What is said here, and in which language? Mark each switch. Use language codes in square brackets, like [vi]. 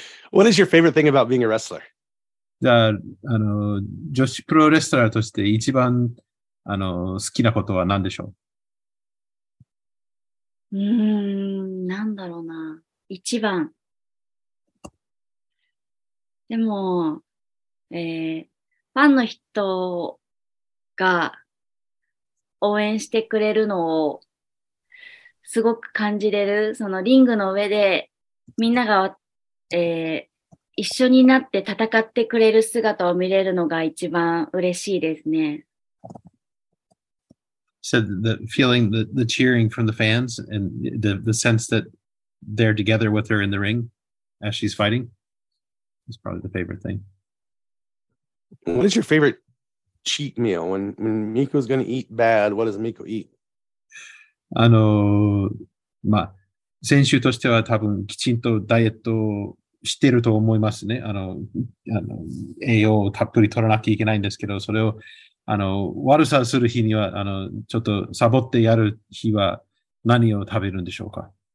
[en] What is your favorite thing about being a wrestler? [ja] あの、女子プロレスラーとして一番あの好きなことは何でしょう？なんだろうな。一番。でも、ファンの人が応援してくれるのをすごく感じれる、そのリングの上でみんなが、一緒になって戦ってくれる姿を見れるのが一番嬉しいですね。 [en] So the feeling, the cheering from the fans and the sense that they're together with her in the ring as she's fighting is probably the favorite thing. What is your favorite cheat meal? When Miku's going to eat bad, what does Miku eat? [ja] あの、まあ、選手としては多分きちんとダイエットしてると思いますね。あの、栄養をたっぷり取らなきゃいけないんですけど、それを、あの、悪さする日には、あの、ちょっとサボってやる日は何を食べるんでしょうか？